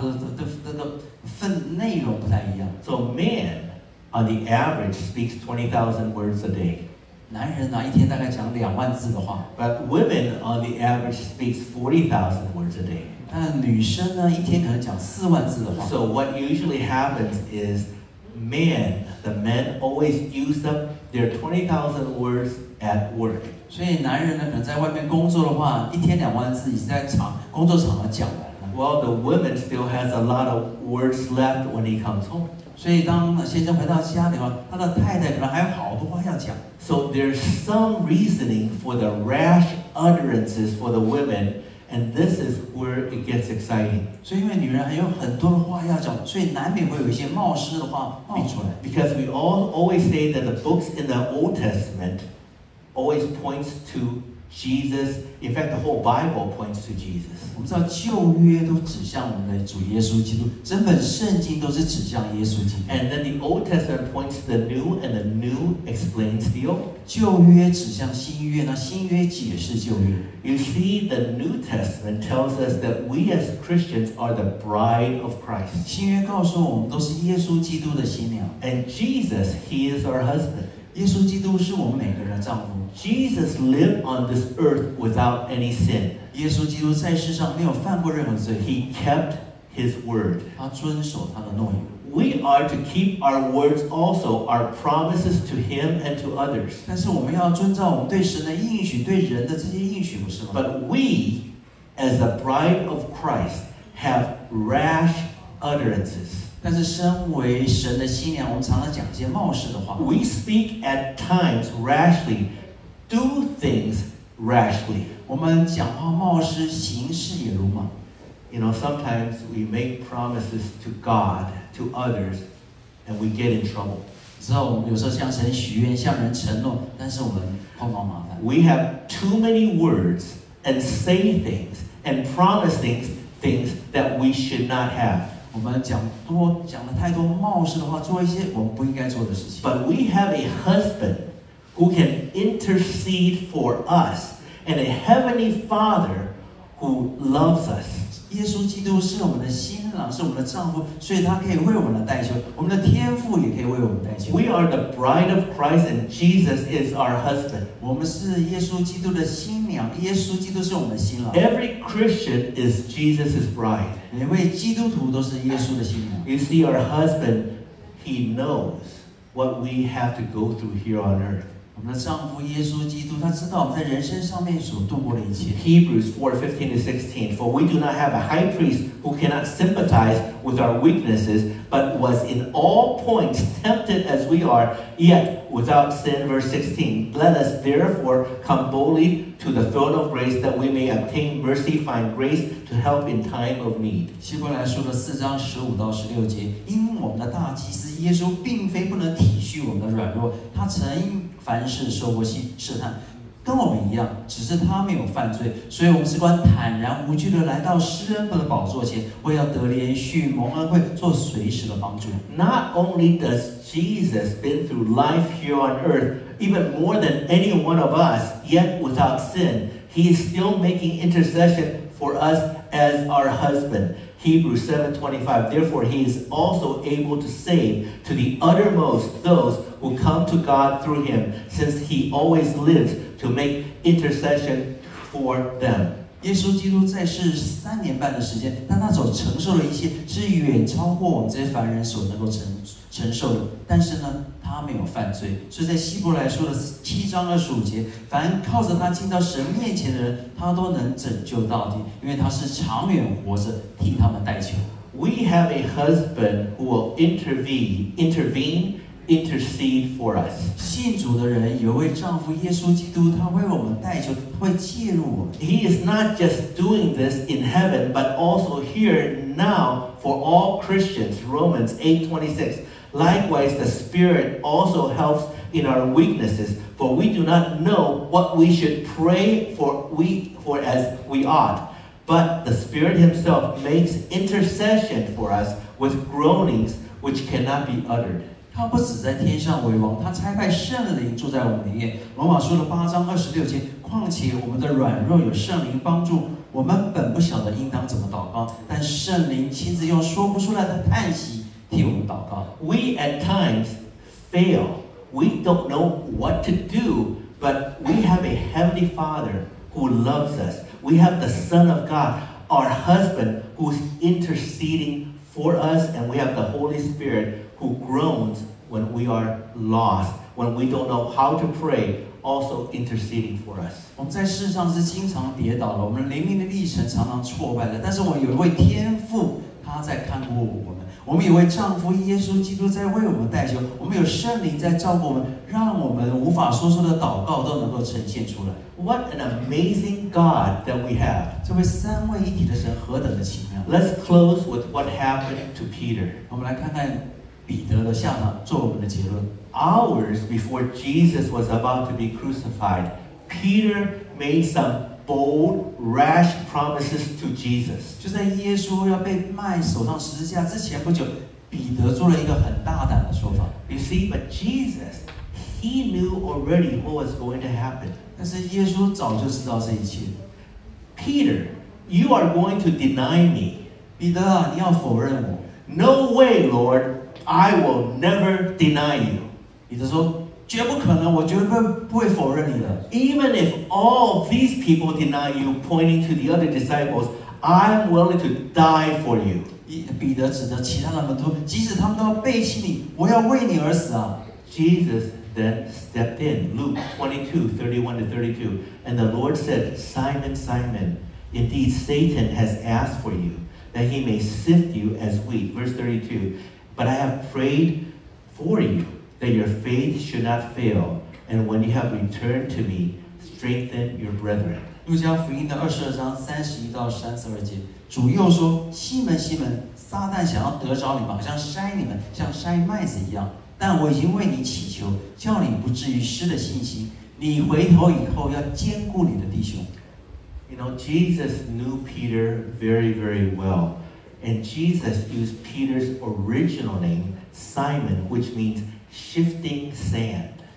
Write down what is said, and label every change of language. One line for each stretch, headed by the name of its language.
Chinese: 根据这个过去做的这些科学的实验的话，那我们会发现男生跟女生讲话的内容不太一样。
English: So men, on the average, speaks 20,000 words a day.
Chinese: 男人啊，一天大概讲20,000字的话。
English: But women, on the average, speaks 40,000 words a day.
Chinese: 但女生呢，一天可能讲四万字的话。
English: So what usually happens is, men, the men always use up their 20,000 words at work.
Chinese: 所以男人呢，可能在外面工作的话，一天两万字已经在场工作场上讲完了。
English: Well, the woman still has a lot of words left when he comes home.
Chinese: 所以当先生回到家里的话，他的太太可能还有好多话要讲。
English: So there's some reasoning for the rash utterances for the women. And this is where it gets exciting.
Chinese: 所以因为女人还有很多的话要讲，所以难免会有一些冒失的话冒出来。
English: Because we all always say that the books in the Old Testament always points to Jesus. In fact, the whole Bible points to Jesus.
Chinese: 我们知道旧约都指向我们的主耶稣基督，整本圣经都是指向耶稣基督。
English: And then the Old Testament points to the New, and the New explains the Old.
Chinese: 旧约指向新约，那新约解释旧约。
English: You see, the New Testament tells us that we as Christians are the bride of Christ.
Chinese: 新约告诉我们都是耶稣基督的新娘。
English: And Jesus, He is our husband.
Chinese: 耶稣基督是我们每个人的丈夫。
English: Jesus lived on this earth without any sin.
Chinese: 耶稣基督在世上没有犯过任何罪。
English: He kept His word.
Chinese: 他遵守他的诺言。
English: We are to keep our words also, our promises to Him and to others.
Chinese: 但是我们要遵照我们对神的应许，对人的这些应许，不是吗？
English: But we, as the bride of Christ, have rash utterances.
Chinese: 但是身为神的新娘，我们常常讲一些冒失的话。
English: We speak at times rashly, do things rashly.
Chinese: 我们讲话冒失，行事也鲁莽。
English: You know, sometimes we make promises to God. To others, and we get in trouble.
Chinese: 知道我们有时候向神许愿，向人承诺，但是我们碰到麻烦。
English: We have too many words and say things and promise things that we should not have.
Chinese: 我们讲了太多冒失的话，做一些我们不应该做的事情。
English: But we have a husband who can intercede for us and a heavenly Father who loves us.
Chinese: 耶稣基督是我们的新郎，是我们的丈夫，所以他可以为我们的代求。我们的天父也可以为我们代求。
English: We are the bride of Christ, and Jesus is our husband.
Chinese: 我们是耶稣基督的新娘，耶稣基督是我们的新郎。
English: Every Christian is Jesus's bride.
Chinese: 每位基督徒都是耶稣的新娘。
English: You see, our husband, he knows what we have to go through here on earth.
Chinese: 我们的丈夫耶稣基督，他知道我们在人生上面所度过的一切。
English: Hebrews 4:15-16 For we do not have a high priest who cannot sympathize with our weaknesses, but was in all points tempted as we are, yet without sin. Verse 16 Let us therefore come boldly to the throne of grace, that we may obtain mercy, find grace to help in time of need.
Chinese: 希伯来书的4:15-16因我们的大祭司耶稣并非不能体恤我们的软弱，他曾凡事受过试探，跟我们一样，只是他没有犯罪，所以我们只管坦然无惧地来到施恩的宝座前，为要得连续蒙恩惠，做随时的帮助。
English: Not only does Jesus been through life here on earth, even more than any one of us, yet without sin, He is still making intercession for us as our husband. Hebrews 7:25 Therefore, He is also able to save to the uttermost those who come to God through Him, since He always lives to make intercession for them.
Chinese: 耶稣基督在世3.5年的时间，但他所承受的一切是远超过我们这些凡人所能够承受的。但是呢，他没有犯罪，所以在希伯来书的7:25，凡靠着他进到神面前的人，他都能拯救到底，因为他是长远活着替他们代求。
English: We have a husband who will intercede for us.
Chinese: 信主的人有位丈夫耶稣基督，他为我们代求，他会介入我们。
English: He is not just doing this in heaven, but also here now for all Christians. Romans 8:26. Likewise, the Spirit also helps in our weaknesses, for we do not know what we should pray for as we ought. But the Spirit Himself makes intercession for us with groanings which cannot be uttered.
Chinese: 他不只在天上为王，他差派圣灵住在我们里面。罗马书的8:26，况且我们的软弱有圣灵帮助。我们本不晓得应当怎么祷告，但圣灵亲自用说不出来的叹息。
English: We at times fail. We don't know what to do, but we have a Heavenly Father who loves us. We have the Son of God, our husband who's interceding for us, and we have the Holy Spirit who groans when we are lost, when we don't know how to pray, also interceding for us.
Chinese: 我们在世上是经常跌倒的，我们灵命的历程常常挫败的，但是我有一位天父他在看顾我们，我们有位丈夫耶稣基督在为我们代求，我们有圣灵在照顾我们，让我们无法说出的祷告都能够呈现出来。
English: What an amazing God that we have.
Chinese: 这位三位一体的神何等的奇妙。
English: Let's close with what happened to Peter.
Chinese: 我们来看看彼得的下场，做我们的结论。
English: Hours before Jesus was about to be crucified, Peter made some bold, rash promises to Jesus.
Chinese: 就在耶稣要被卖手上十字架之前不久，彼得做了一个很大胆的说法。
English: You see, but Jesus, he knew already what was going to happen.
Chinese: 但是耶稣早就知道这一切。
English: Peter, you are going to deny me.
Chinese: 彼得啊，你要否认我。
English: No way, Lord, I will never deny you.
Chinese: 彼得说，绝不可能，我绝对不会否认你的。
English: Even if all these people deny you, pointing to the other disciples, I'm willing to die for you.
Chinese: 彼得指着其他的门徒，即使他们都要背弃你，我要为你而死啊。
English: Jesus then stepped in, Luke 22:31-32, and the Lord said, Simon, Simon, indeed Satan has asked for you, that he may sift you as wheat. Verse 32, but I have prayed for you. That your faith should not fail, and when you have returned to me, strengthen your brethren.
Chinese: 路加福音的22:31-32，主又说：“西门，西门，撒旦想要得着你们，好像筛你们，像筛麦子一样。但我已经为你祈求，叫你不至于失了信心。你回头以后，要坚固你的弟兄。”
English: You know, Jesus knew Peter very, very well, and Jesus used Peter's original name, Simon, which means Shifting sand.